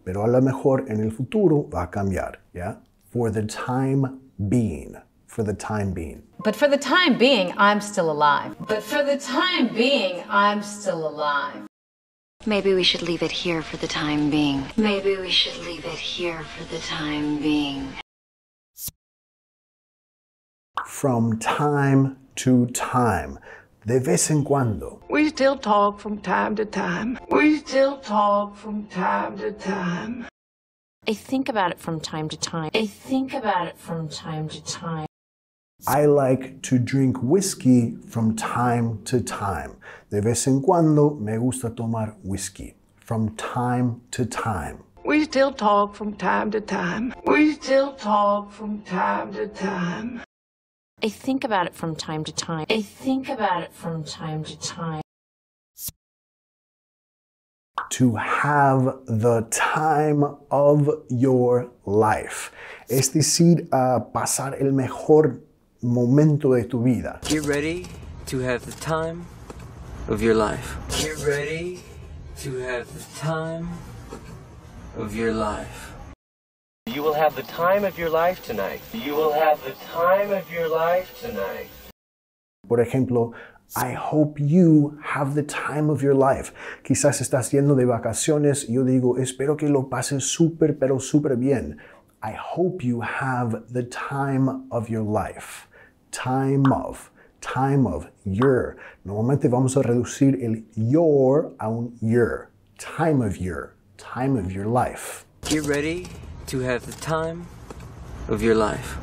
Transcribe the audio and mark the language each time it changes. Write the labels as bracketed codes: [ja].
[es] Pero a lo mejor en el futuro va a cambiar. [en] Yeah? For the time being. For the time being. But for the time being, I'm still alive. But for the time being, I'm still alive. Maybe we should leave it here for the time being. Maybe we should leave it here for the time being. From time to time. [es] De vez en cuando. [en] We still talk from time to time. We still talk from time to time. I think about it from time to time. I think about it from time to time. I like to drink whiskey from time to time. [es] De vez en cuando me gusta tomar whiskey. [en] From time to time. We still talk from time to time. We still talk from time to time. I think about it from time to time. I think about it from time to time. To have the time of your life. [es] Es decir, pasar el mejor momento de tu vida. [en] Get ready to have the time of your life. Get ready to have the time of your life. You will have the time of your life tonight. You will have the time of your life tonight. [es] Por ejemplo, [en] I hope you have the time of your life. [es] Quizás estás yendo de vacaciones. Yo digo, espero que lo pases súper, pero súper bien. [en] I hope you have the time of your life. Time of, your. [es] Normalmente vamos a reducir el your a un your. [en] Time of your life. Get ready to have the time of your life.